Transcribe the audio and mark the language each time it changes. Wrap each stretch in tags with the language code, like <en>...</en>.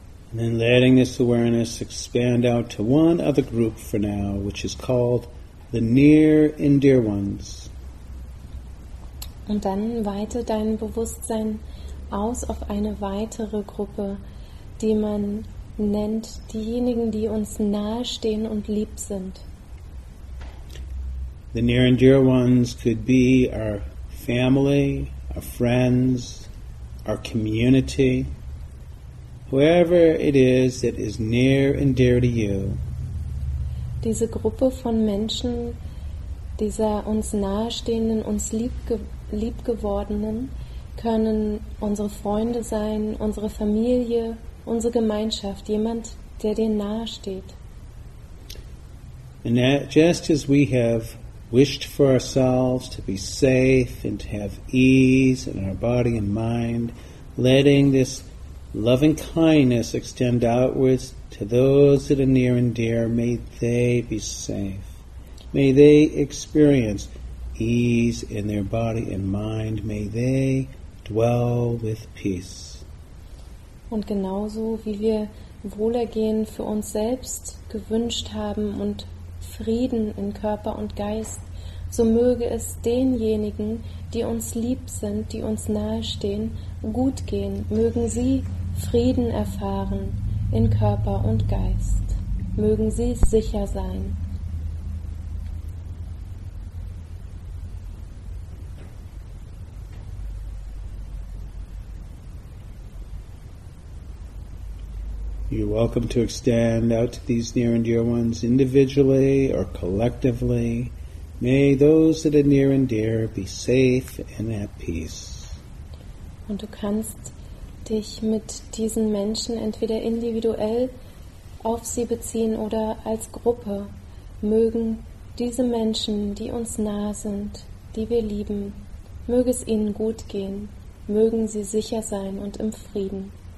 <en>And then letting this awareness expand out to one other group for now, which is called the near and dear ones.</en> <de>Und dann weite dein Bewusstsein aus auf eine weitere Gruppe, die man nennt diejenigen, die uns nahestehen und lieb sind.</de> <en>The near and dear ones could be our family, our friends, our community, whoever it is that is near and dear to you.</en> <de>Diese Gruppe von Menschen, dieser uns nahestehenden, uns liebgewordenen, können unsere Freunde sein, unsere Familie, unsere Gemeinschaft, jemand, der dir nahesteht.</de> <en>And that just as we have wished for ourselves to be safe and to have ease in our body and mind, letting this loving kindness extend outwards to those that are near and dear, may they be safe. May they experience ease in their body and mind. May they dwell with peace.</en> <de>Und genauso wie wir Wohlergehen für uns selbst gewünscht haben und Frieden in Körper und Geist, so möge es denjenigen, die uns lieb sind, die uns nahestehen, gut gehen. Mögen sie Frieden erfahren in Körper und Geist. Mögen sie sicher sein.</de> <en>You're welcome to extend out to these near and dear ones individually or collectively. May those that are near and dear be safe and at peace.</en> <de>Und du kannst dich mit diesen Menschen entweder individuell auf sie beziehen oder als Gruppe. Mögen diese Menschen, die uns nahe sind, die wir lieben, möge es ihnen gut gehen, mögen sie sicher sein und im Frieden.</de>